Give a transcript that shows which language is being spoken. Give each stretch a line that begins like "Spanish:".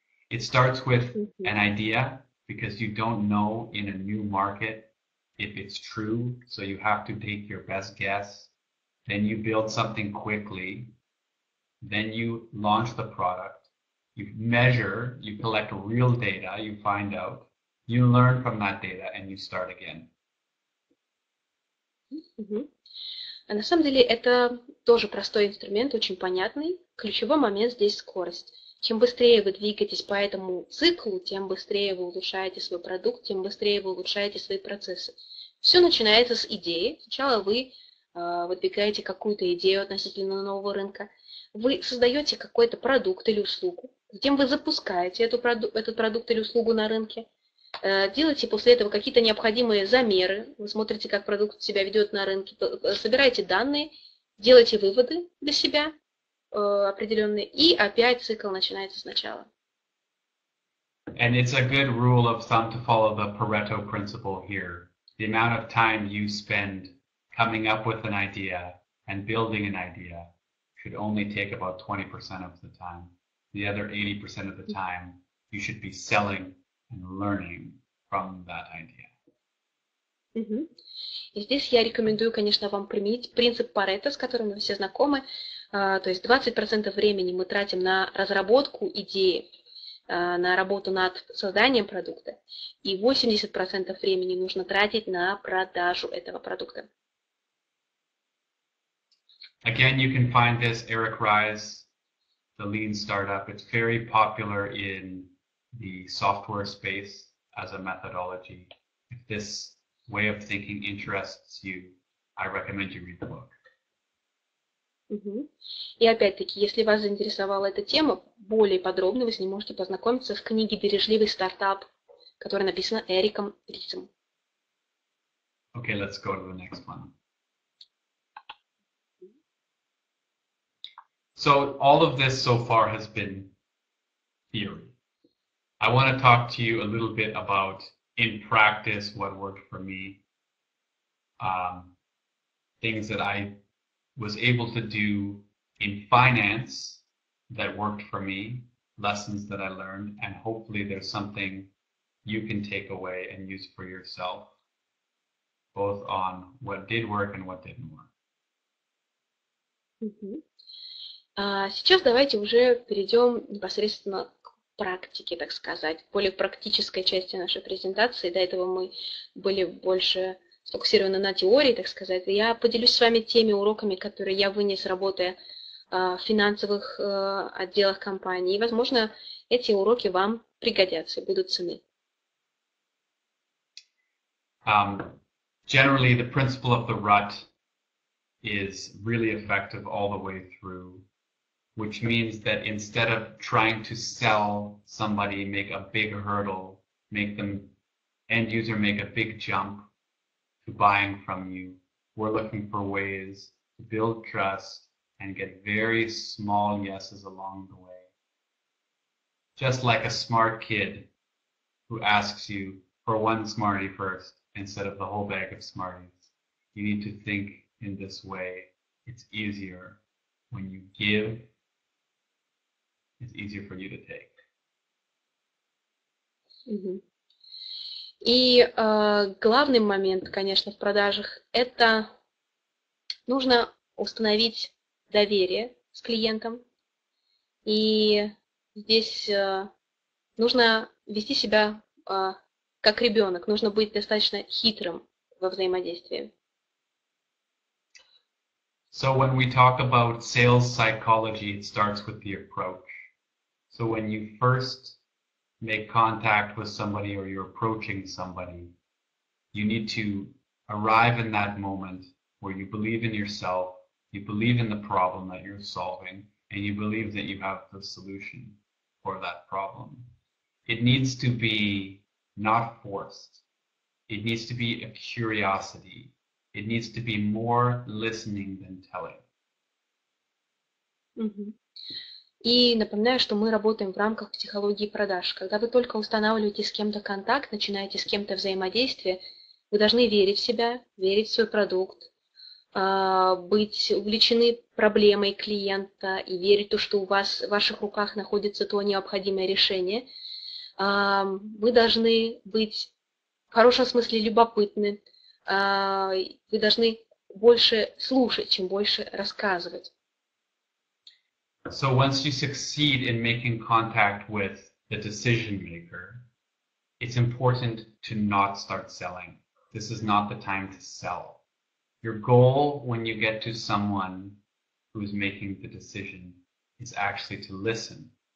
English: It starts with an idea, because you don't know in a new market if it's true, so you have to take your best guess. Then you build something quickly, then you launch the product, you measure, you collect real data, you find out, you learn from that data, and you start again. Угу.
Russian: На самом деле это тоже простой инструмент, очень понятный. Ключевой момент здесь скорость. Чем быстрее вы двигаетесь по этому циклу, тем быстрее вы улучшаете свой продукт, тем быстрее вы улучшаете свои процессы. Все начинается с идеи. Сначала вы выдвигаете какую-то идею относительно нового рынка. Вы создаете какой-то продукт или услугу. Затем вы запускаете этот продукт или услугу на рынке. Делайте после этого какие-то необходимые замеры, вы смотрите, как продукт себя ведет на рынке, собираете данные, делайте выводы для себя определенные, и опять цикл начинается сначала.
English: And it's a good rule of thumb to follow the Pareto principle here. The amount of time you spend coming up with an idea and building an idea should only take about 20% of the time. The other 80% of the time you should be selling and learning from that idea. Mm-hmm.
Russian: И здесь я рекомендую, конечно, вам применить принцип Парето, с которым мы все знакомы. То есть 20% времени мы тратим на разработку идеи, на работу над созданием продукта, и 80% времени нужно тратить на продажу этого продукта.
English: Again, you can find this Eric Ries, the Lean Startup. It's very popular in the software space as a methodology. If this way of thinking interests you, I recommend you read the book. Mm-hmm.
Russian: И опять-таки, если вас заинтересовала эта тема, более подробно вы с ней можете познакомиться в книге «Бережливый стартап», которая написана Эриком Рисом.
English: Okay, let's go to the next one. So all of this so far has been theory. I want to talk to you a little bit about, in practice, what worked for me. Things that I was able to do in finance that worked for me, lessons that I learned, and hopefully there's something you can take away and use for yourself, both on what did work and what didn't work.
Russian: Сейчас давайте уже перейдем непосредственно к практике, так сказать, к более практической части нашей презентации. До этого мы были больше сфокусированы на теории, так сказать. Я поделюсь с вами теми уроками, которые я вынес, работая в финансовых отделах компании. И, возможно, эти уроки вам пригодятся, будут ценны.
English: Generally, the principle of the rut is really effective all the way through, which means that instead of trying to sell somebody, make a big hurdle, make them end user make a big jump to buying from you, we're looking for ways to build trust and get very small yeses along the way. Just like a smart kid who asks you for one Smartie first instead of the whole bag of Smarties, you need to think in this way. It's easier when you give, it's easier for you to take.
Russian: И главный момент, конечно, в продажах, это нужно установить доверие с клиентом. И здесь нужно вести себя как ребенок, нужно быть достаточно хитрым во взаимодействии.
English: So when we talk about sales psychology, it starts with the approach. So when you first make contact with somebody or you're approaching somebody, you need to arrive in that moment where you believe in yourself, you believe in the problem that you're solving, and you believe that you have the solution for that problem. It needs to be not forced. It needs to be a curiosity. It needs to be more listening than telling.
Russian: И напоминаю, что мы работаем в рамках психологии продаж. Когда вы только устанавливаете с кем-то контакт, начинаете с кем-то взаимодействие, вы должны верить в себя, верить в свой продукт, быть увлечены проблемой клиента и верить в то, что у вас в ваших руках находится то необходимое решение. Вы должны быть в хорошем смысле любопытны. Вы должны больше слушать, чем больше рассказывать.
English: So once you succeed in making contact with the decision maker, it's important to not start selling. This is not the time to sell. Your goal when you get to someone who's making the decision is actually to listen.